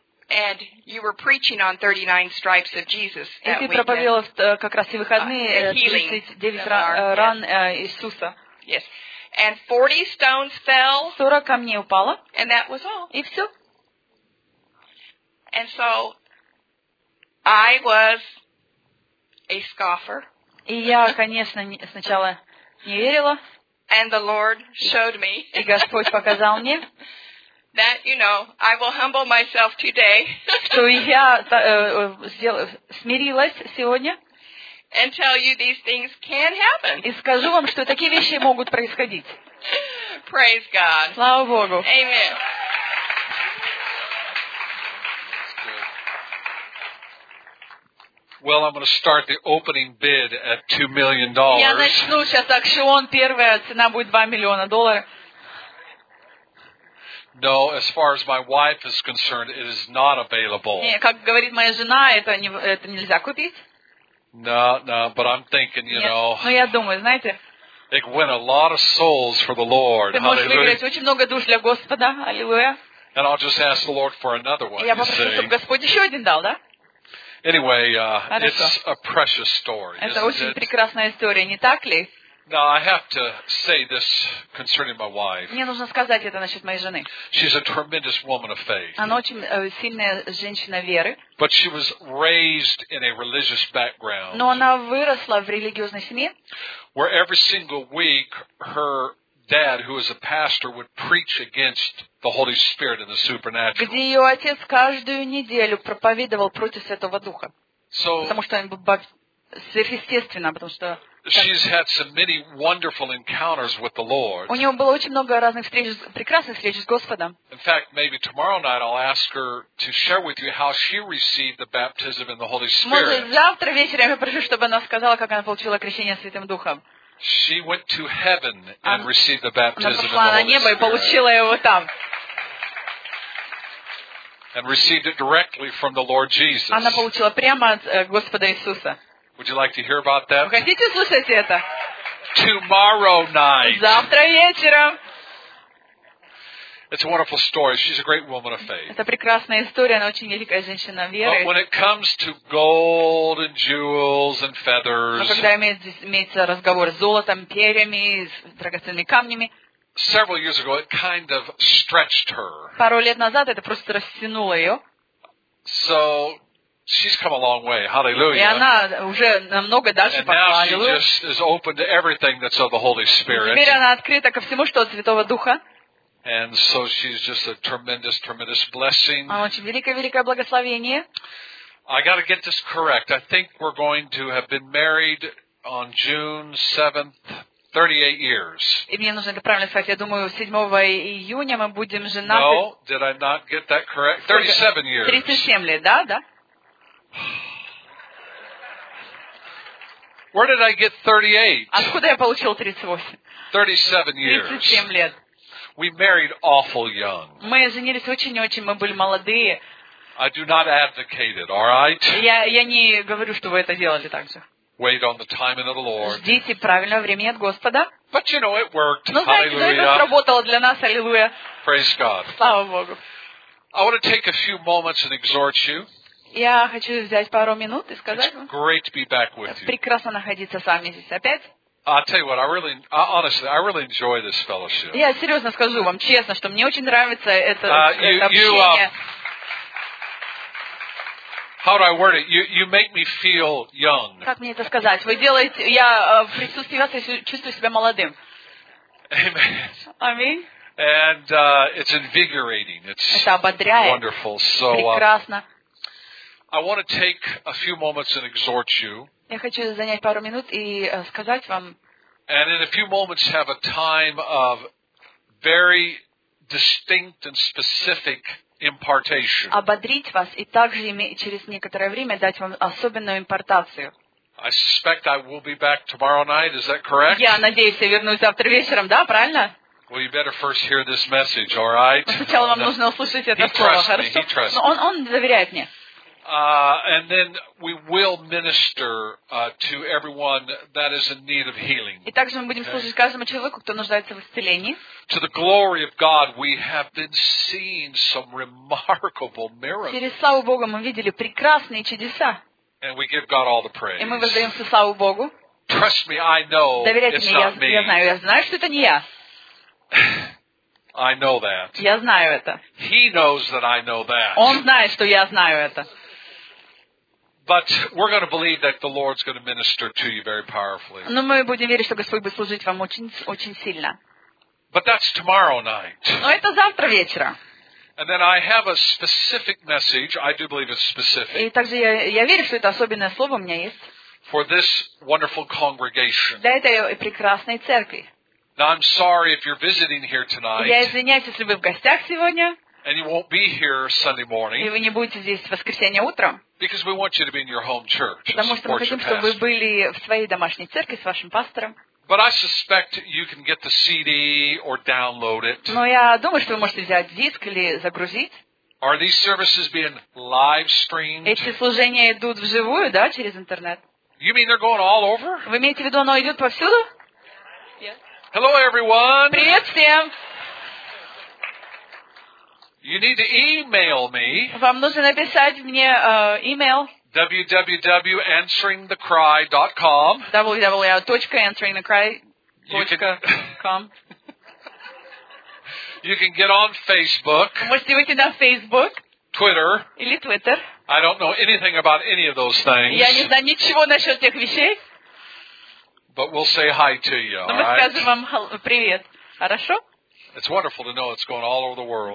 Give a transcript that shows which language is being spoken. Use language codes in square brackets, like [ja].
[en] And you were preaching on 39 stripes of Jesus. [ru] И ты проповедовал как раз и выходные 39 ран Иисуса. [en] Yes. And 40 stones fell. [ru] 40 камней упало. [en] And that was all. [ru] И все. [en] And so I was a scoffer. [ru] И я, конечно, сначала не верила. [en] And the Lord showed me. [ru] И Господь показал мне. [en] That, you know, I will humble myself today. [ru] Что я смирилась сегодня. [en] And tell you these things can happen. [ru] И скажу вам, что такие вещи могут происходить. [en] Praise God. [ru] Слава Богу. [en] Amen. Well, I'm going to start the opening bid at $2 million. [ru] Я начну сейчас аукцион. Первая цена будет $2 million. [en] No, as far as my wife is concerned, it is not available. [ru] Не, как говорит моя жена, это нельзя купить. [en] No, but I'm thinking, you know. [ru] Но я думаю, знаете. [en] It went a lot of souls for the Lord. [ru] Ты можешь выиграть очень много душ для Господа. Аллилуйя. [en] And I'll just ask the Lord for another one. [ru] Я попрошу, чтобы Господь еще один дал, да? [en] Anyway, it's a precious story. [ru] Это очень прекрасная история, не так ли? [en] Now I have to say this concerning my wife. [ru] Мне нужно сказать это насчет моей жены. [en] She's a tremendous woman of faith. [ru] Она очень сильная женщина веры. [en] But she was raised in a religious background. [ru] Но она выросла в религиозной семье. [en] Where every single week her dad, who is a pastor, would preach against the Holy Spirit and the supernatural. [ru] Где ее отец каждую неделю проповедовал против Святого Духа. [en] So, [ru] потому что он был сверхъестественно, потому что. [en] She's had so many wonderful encounters with the Lord. [ru] У нее было очень много разных встреч, прекрасных встреч с Господом. [en] In fact, maybe tomorrow night I'll ask her to share with you how she received the baptism in the Holy Spirit. [ru] Может, завтра вечером я попрошу, чтобы она сказала, как она получила крещение Святым Духом. [en] She went to heaven and received the baptism of the Holy Spirit. [ru] Она пошла на небо и получила его там. [en] And received it directly from the Lord Jesus. [ru] Она получила прямо от Господа Иисуса. [en] Would you like to hear about that? [ru] Вы хотите услышать это? [en] Tomorrow night. [ru] Завтра вечером. [en] It's a wonderful story. She's a great woman of faith. [ru] Это прекрасная история. Она очень великая женщина веры. [en] But when it comes to gold and jewels and feathers, [ru] но когда имеется разговор с золотом, перьями, с драгоценными камнями, [en] several years ago, it kind of stretched her. [ru] Пару лет назад это просто растянуло ее. [en] So she's come a long way. Hallelujah. [ru] И она уже намного дальше пошла. [en] And now she just is open to everything that's of the Holy Spirit. [ru] Теперь она открыта ко всему, что от Святого Духа. [en] And so she's just a tremendous, tremendous blessing. [ru] Она очень великое, великое благословение. [en] I got to get this correct. I think we're going to have been married on June 7th, 38 years. [ru] И мне нужно это правильно сказать. Я думаю, 7 июня мы будем женаты. [en] No, did I not get that correct? 37 years. [ru] 37 лет, да, да. [en] Where did I get 38? [ru] Откуда я получил 38? [en] 37 years. [ru] 37 лет. [en] We married awful young. [ru] Мы женились очень-очень, мы были молодые. [en] I do not advocate it, all right? [ru] Я не говорю, что вы это делали так же. [en] Wait on the timing of the Lord. [ru] Ждите правильного времени от Господа. [en] But you know, it worked. [ru] Но, знаете, это сработало для нас, аллилуйя. [en] Praise God. [ru] Слава Богу. [en] I want to take a few moments and exhort you. [ru] Я хочу взять пару минут и сказать вам. [en] It's great to be back with you. [ru] Прекрасно находиться с вами здесь опять. [en] I'll tell you what, I really enjoy this fellowship. [ru] Я серьезно скажу вам честно, что мне очень нравится это общение. [en] How do I word it? You make me feel young. [ru] Как мне это сказать? Вы делаете, я в присутствии вас чувствую себя молодым. [en] Amen. And it's invigorating. It's wonderful. So [ru] прекрасно. [en] I want to take a few moments and exhort you. [ru] Я хочу занять пару минут и сказать вам. [en] And in a few moments have a time of very distinct and specific impartation. [ru] Ободрить вас и также через некоторое время дать вам особенную импартацию. [en] I suspect I will be back tomorrow night. Is that correct? [ru] Я надеюсь, я вернусь завтра вечером, да, правильно? [en] Well, you better first hear this message, all right? [ru] Сначала вам нужно услышать это слово, хорошо? [en] He trusts me. [ru] Он доверяет мне. [en] And then we will minister to everyone that is in need of healing. [ru] И также мы будем служить каждому человеку, кто нуждается в исцелении. [en] To the glory of God, we have been seeing some remarkable miracles. [ru] Через славу Богу мы видели прекрасные чудеса. [en] And we give God all the praise. [ru] И мы воздаем всю славу Богу. [en] Trust me, I know. [ru] Доверяйте мне, я знаю, что это не я. [en] I know that. [ru] Я знаю это. [en] He knows that I know that. [ru] Он знает, что я знаю это. [en] But we're going to believe that the Lord's going to minister to you very powerfully. [ru] Но мы будем верить, что Господь будет служить вам очень сильно. [en] But that's tomorrow night. [ru] Но это завтра вечером. [en] And then I have a specific message. I do believe it's specific. [ru] И также я верю, что это особенное слово у меня есть. [en] For this wonderful congregation. [ru] Для этой прекрасной церкви. [en] Now I'm sorry if you're visiting here tonight. [ru] Я извиняюсь, если вы в гостях сегодня. [en] And you won't be here Sunday morning. [ru] И вы не будете здесь в воскресенье утром. [en] Because we want you to be in your home church. [ru] Потому что мы хотим, чтобы вы были в своей домашней церкви с вашим пастором. [en] But I suspect you can get the CD or download it. [ru] Но я думаю, что вы можете взять диск или загрузить. [en] Are these services being live streamed? [ru] Эти служения идут вживую, да, через интернет? [en] You mean they're going all over? [ru] Вы имеете в виду, оно идет повсюду? [en] Hello, everyone. [ru] Привет всем. [en] You need to email me. [ru] Вам нужно написать мне email. [en] www.answeringthecry.com. www.answeringthecry.com. You can get on Facebook. [ru] Можете выйти на Facebook. [en] Twitter. [ru] Или Twitter. [en] I don't know anything about any of those things. [ru] Я не знаю ничего насчет тех вещей. [en] But we'll say hi to you. [ru] Но мы скажем вам привет. Хорошо? [en] It's wonderful to know it's going all over the world.